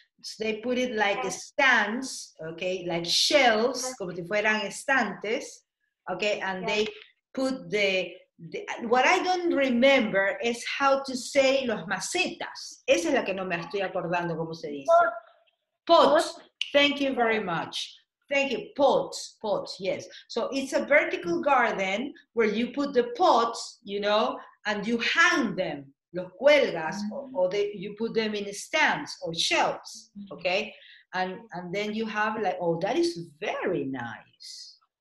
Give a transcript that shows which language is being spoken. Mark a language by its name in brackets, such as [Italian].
[English] So they put it like stands, okay, like shelves, [Spanish] como si fueran estantes, [English] okay, and they put the what I don't remember is how to say [Spanish] los macetas. Esa es la que no me estoy acordando cómo se dice. [English] Pots, thank you very much. Thank you, pots, yes. So it's a vertical garden where you put the pots, you know, and you hang them, [Spanish] los cuelgas, [English] you put them in stands or shelves, okay? And then you have like, oh, that is very nice.